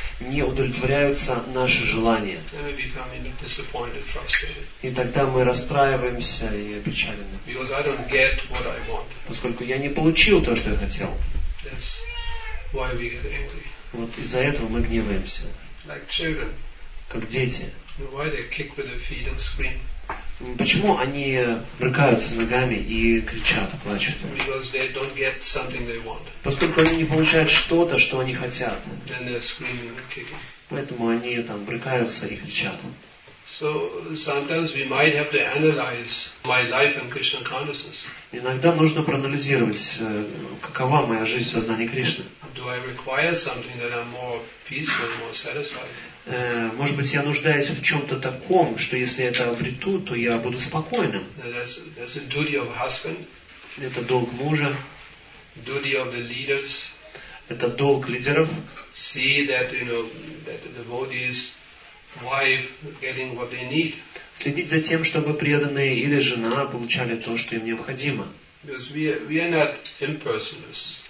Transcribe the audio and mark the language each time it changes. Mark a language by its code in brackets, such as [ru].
[ru] не удовлетворяются наши желания. [en] Then we become disappointed, frustrated. [ru] И тогда мы расстраиваемся и опечалены. [en] Because I don't get what I want. [ru] Поскольку я не получил то, что я хотел. [en] That's why we get angry. [ru] Вот из-за этого мы гневаемся. [en] Like children. [ru] Как дети. [en] Why they kick with their feet and scream? [ru] Почему они брыкаются ногами и кричат, плачут? [en] Because they don't get something they want. [ru] Поскольку они не получают что-то, что они хотят. [en] Then they're screaming and kicking. [ru] Поэтому они там брыкаются и кричат. [en] So sometimes we might have to analyze my life and Krishna consciousness. [ru] Иногда нужно проанализировать, какова моя жизнь в сознании Кришны. [en] Do I require something that I'm more peaceful, more satisfied? [ru] Может быть, я нуждаюсь в чем-то таком, что если я это обрету, то я буду спокойным. [en] That's a duty of husband. [ru] Это долг мужа. [en] Duty of the leaders. [ru] Это долг лидеров. [en] See that, you know, that the devotee's wife getting what they need. [ru] Следить за тем, чтобы преданные или жена получали то, что им необходимо. [en] Because we are not impersonalists.